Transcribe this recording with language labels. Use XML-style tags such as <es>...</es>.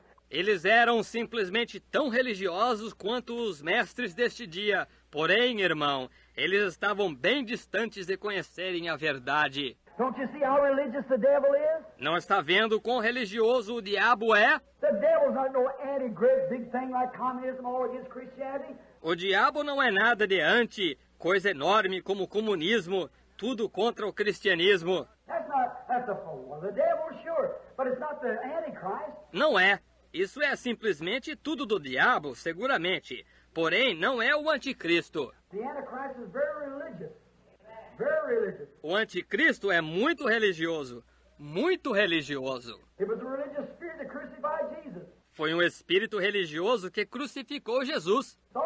<pt>Eles eram simplesmente tão religiosos quanto os mestres deste dia. Porém, irmão, eles estavam bem distantes de conhecerem a verdade.</pt> <en>Don't you see how religious the devil is?</en> <pt>Não está vendo quão religioso o diabo é?</pt> <en>The devil's not no anti-great big thing like communism or against Christianity.</en> <pt>O diabo não é nada de anti, coisa enorme como o comunismo, tudo contra o cristianismo.</pt> <en>That's the fool. The devil, sure, but it's not the antichrist.</en> <pt>Não é. Isso é simplesmente tudo do diabo, seguramente. Porém, não é o anticristo.</pt> <en>The antichrist is very religious. Very religious.</en> <pt>O anticristo é muito religioso. Muito religioso.</pt> <en>It was a religious spirit that crucified Jesus.</en> <pt>Foi um espírito religioso que crucificou Jesus.</pt>